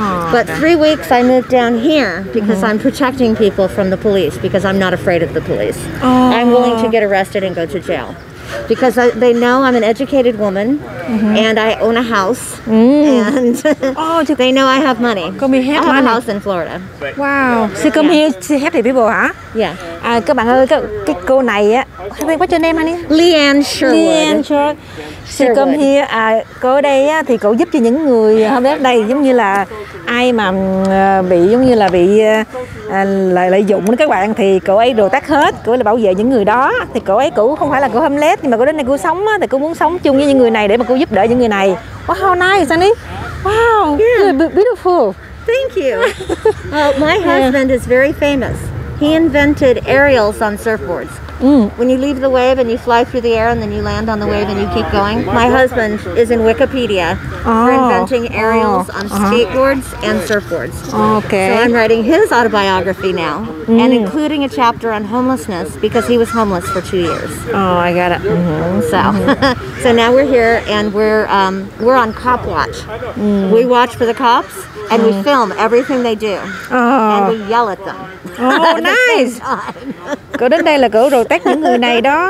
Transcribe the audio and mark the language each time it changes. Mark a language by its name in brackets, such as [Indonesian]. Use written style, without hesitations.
[English] But 3 weeks I moved down here because I'm protecting people from the police because I'm not afraid of the police. I'm willing to get arrested and go to jail. Because they know I'm an educated woman and I own a house and they know I have money. Come here, I have a house in Florida. Wow. So come here to help the people, huh? Yeah. [Vietnamese] Các bạn ơi, cái cô này á, [English] what's your name, honey? Leanne Sherwood. Leanne Sherwood. So come here. [Vietnamese] Cô ở đây á, thì cô giúp cho những người hôm nay giống như là ai mà bị giống như là bị lợi dụng các bạn thì cô ấy đồ tác hết, cô ấy là bảo vệ những người đó. Thì cô ấy cũng không phải là cô homeless nhưng mà cô đến đây cô sống á, thì cô muốn sống chung với những người này để mà cô giúp đỡ những người này. [English] Wow, how nice, honey. Wow, beautiful. Thank you. Well, my husband is very famous. He invented aerials on surfboards. When you leave the wave and you fly through the air and then you land on the wave and you keep going. My husband is in Wikipedia for inventing aerials on skateboards and surfboards. Okay. So I'm writing his autobiography now and including a chapter on homelessness because he was homeless for 2 years. Oh, I got it. So so now we're here and we're on cop watch. We watch for the cops and we film everything they do. And we yell at them. Oh, nice. [Vietnamese] Cô đến đây là cô đồ tác những người này đó.